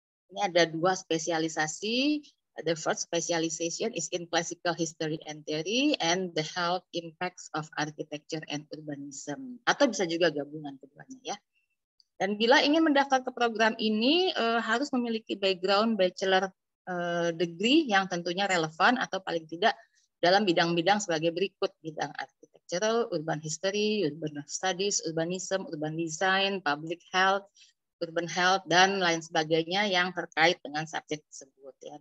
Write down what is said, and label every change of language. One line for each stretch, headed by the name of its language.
Indonesian: Ini ada dua spesialisasi.
English: The first specialization is in classical history and theory and the health impacts of architecture and urbanism.
Indonesian: Atau bisa juga gabungan keduanya ya. Dan bila ingin mendaftar ke program ini harus memiliki background bachelor degree yang tentunya relevan atau paling tidak dalam bidang-bidang sebagai berikut. Bidang architectural, urban history, urban studies, urbanism, urban design, public health, urban health, dan lain sebagainya yang terkait dengan subjek tersebut. Ya.